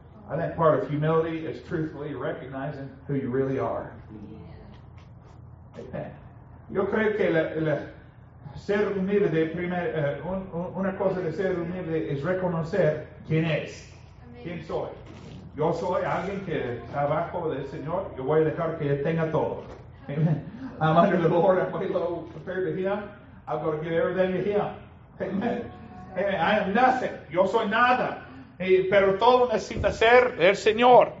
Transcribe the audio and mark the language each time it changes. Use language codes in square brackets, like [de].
[en] I think part of humility is truthfully recognizing who you really are. Yeah. [es] Yo creo que ser humilde de primera, una cosa de ser humilde es reconocer quién es. Amen. Quién soy. Yo soy alguien que está bajo del Señor. Yo voy a dejar que Él tenga todo. Amen. [en] I'm under the Lord. I'm very low compared to Him. I'm going to give everything to Him. Amen. I am nothing. [es] Yo soy nada. Pero todo necesita ser el Señor.